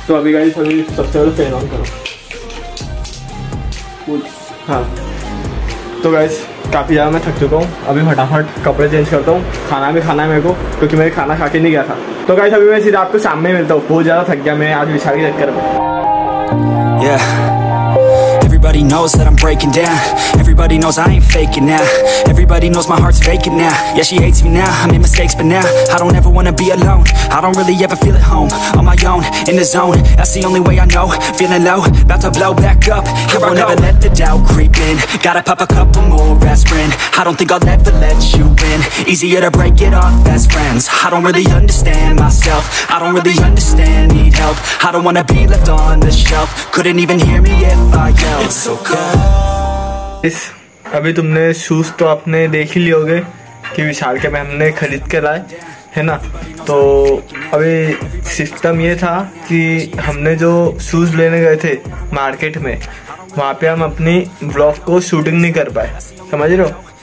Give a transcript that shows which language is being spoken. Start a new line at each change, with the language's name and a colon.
Hindi: तो अभी गाइस अभी सबसे पहले पहन ऑन करो। हाँ तो गाइस काफ़ी ज़्यादा मैं थक चुका हूँ, अभी फटाफट कपड़े चेंज करता हूँ, खाना भी खाना है मेरे को, क्योंकि मैं खाना खा के नहीं गया था। तो गाइस अभी मैं सीधा आपको शाम में मिलता हूँ, बहुत ज़्यादा थक गया मैं आज विशाल के चक्कर में।
English: Everybody knows that I'm breaking down. Everybody knows I ain't faking now. Everybody knows my heart's faking now. Yeah, she hates me now. I made mistakes, but now I don't ever wanna be alone. I don't really ever feel at home on my own in the zone. That's the only way I know. Feeling low, about to blow back up. Here I won't ever let the doubt creep in. Gotta pop a couple more aspirin. I don't think I'll ever let you in. Easier to break it off as friends. I don't really understand myself. I don't really understand. Need help. I don't wanna be left on the shelf. Couldn't even hear me if I yelled. It's so cold.
Hindi: अभी तुमने shoes तो आपने देख ही लिए होंगे कि विशाल के मैं हमने खरीद के लाए, है ना। तो अभी सिस्टम ये था कि हमने जो शूज लेने गए थे मार्केट में, वहाँ पे हम अपनी ब्लॉग को शूटिंग नहीं कर पाए, समझ रहे हो।